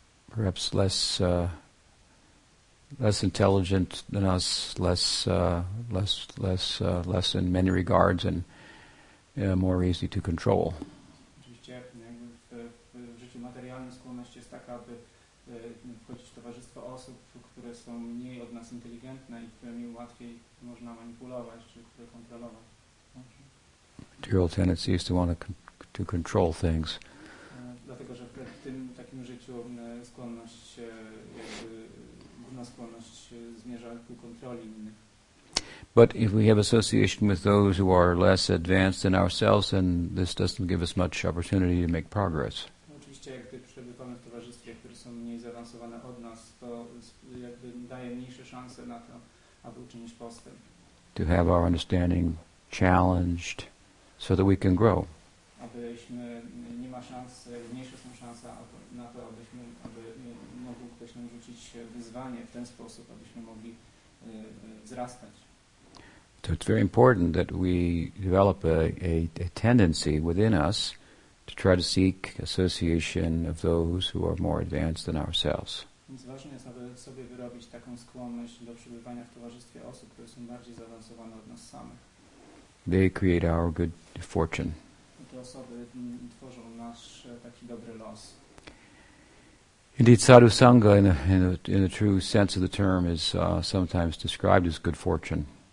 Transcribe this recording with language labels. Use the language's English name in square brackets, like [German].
[English] perhaps less intelligent than us, less in many regards, and more easy to control. [Polish] Oczywiście w życiu materialnym skłonność jest taka, aby wchodzić w towarzystwo osób, które są mniej od nas inteligentne i którymi łatwiej można manipulować czy które kontrolować. [English] Material tendency is to want to control things. [Polish] Dlatego, że w tym takim życiu skłonność, jakby główna skłonność zmierza ku kontroli innych. [English] But if we have association with those who are less advanced than ourselves, then this doesn't give us much opportunity to make progress. [Polish] Oczywiście, gdy przebywamy w towarzystwie, które są mniej zaawansowane od nas, to jakby daje mniejsze szanse na to, aby uczynić postęp. [English] To have our understanding challenged so that we can grow. [Polish] Abyśmy, nie ma szans, mniejsze są szanse na to, aby mógł ktoś nam rzucić wyzwanie w ten sposób, abyśmy mogli wzrastać. [English] So it's very important that we develop a tendency within us to try to seek association of those who are more advanced than ourselves. [Polish] Więc ważne jest, aby sobie wyrobić taką skłonność do przebywania w towarzystwie osób, które są bardziej zaawansowane od nas samych. [English] They create our good fortune. [Polish] Te osoby tworzą nasz taki dobry los. [English] Indeed, sadhu sangha, in the true sense of the term, is sometimes described as good fortune.